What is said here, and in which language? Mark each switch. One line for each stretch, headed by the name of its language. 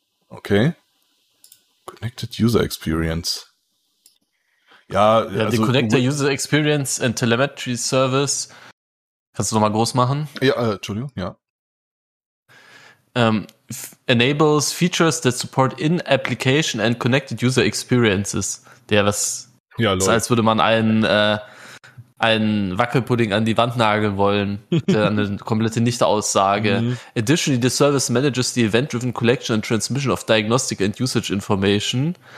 English: Okay. Connected User Experience. Ja,
German: die also, Connected User Experience and Telemetry Service. Kannst du nochmal groß machen? Ja, Entschuldigung, ja.
English: Enables features that support in-application and connected user experiences.
German: Der was. Ja, ist, als würde man einen Wackelpudding an die Wand nageln wollen, der eine komplette Nicht-Aussage. Mhm.
English: Additionally, the service manages the event-driven collection and transmission of diagnostic and usage information.